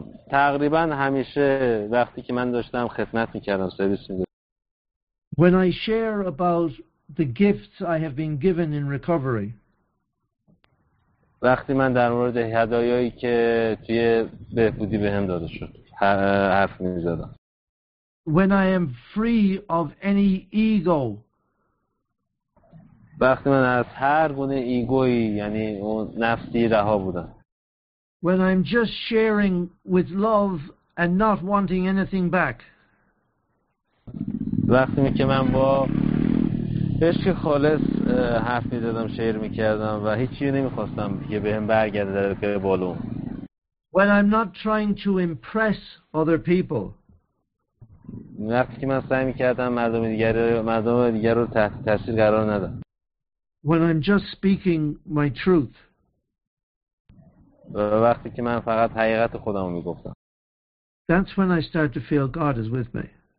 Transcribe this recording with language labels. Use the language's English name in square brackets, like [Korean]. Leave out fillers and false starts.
[Persian] تقریبا همیشه وقتی که من داشتم خدمت می‌کردم، سرویس می‌دادم. [English] When I share about the gifts I have been given in recovery. [Persian] وقتی من در مورد هدایایی که توی بهبودی بهم داده شد حرف می‌زدم. [English] When I am free of any ego. [Persian] وقتی من از هر گونه ایگویی، یعنی اون نفسی، رها بودم. [English] When I'm just sharing with love and not wanting anything back. [Persian] وقتی که من با عشق خالص حرف می‌زدم، شعر می‌کردم و هیچی نمی‌خواستم که بهم برگرده در که بالون. [English] When I'm not trying to impress other people. [Persian] وقتی که من سعی می‌کردم مردم دیگر رو تحت تأثیر قرار ندم. [English] When I'm just speaking my truth. [Persian] و وقتی که من فقط حقیقت خودم رو می‌گفتم. [English] That's when I start to feel God is with me.